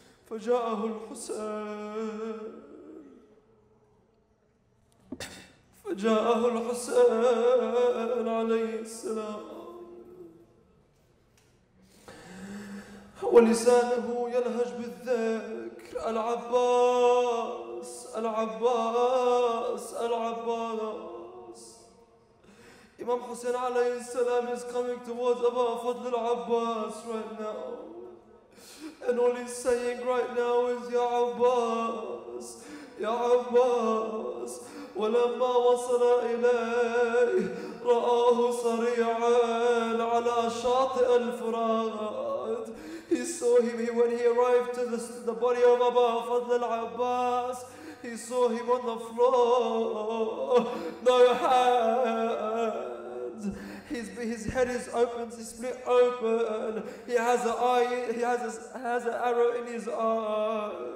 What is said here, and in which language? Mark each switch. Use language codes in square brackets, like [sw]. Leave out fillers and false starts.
[ar] فجاءه الحسين فجاءه الحسين عليه السلام ولسانه يلهج بالذكر العباس العباس العباس. [en] Imam Hussein عليه السلام is coming towards Abba Fadl al-Abbas right now. And all he's saying right now is, Ya Abbas, Ya Abbas. [ar] ولما وصل إليه رآه صريعا على شاطئ الفرات. [en] He saw him when he arrived to the body of Abba Fadl al-Abbas. He saw him on the floor. No hands. His head is open, his split open. He has an eye, he has an arrow in his eye.